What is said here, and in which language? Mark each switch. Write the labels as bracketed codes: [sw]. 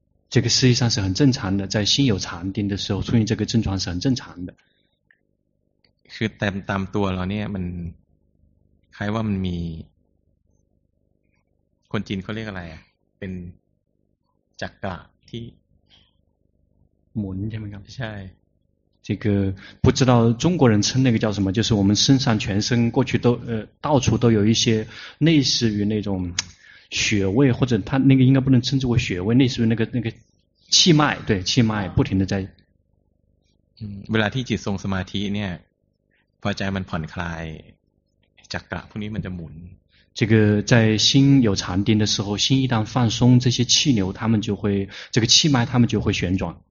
[zh] 这个实际上是很正常的，在心有禅定的时候出现这个症状是很正常的。 [th] คือตามตัวเราเนี่ยมันคล้ายว่ามันมีคนจีนเขาเรียกอะไรอ่ะเป็นจักระที่หมุนใช่ไหมครับ ใช่ [zh] 这个不知道中国人称那个叫什么就是我们身上全身过去都到处都有一些类似于那种穴位或者他那个应该不能称之为穴位类似于那个气脉对气脉不停的在 [th] เวลาที่จิตทรงสมาธิเนี่ยพอใจมันผ่อนคลายจักระพวกนี้มันจะหมุน [zh] 这个在心有禅定的时候心一旦放松这些气流他们就会这个气脉他们就会旋转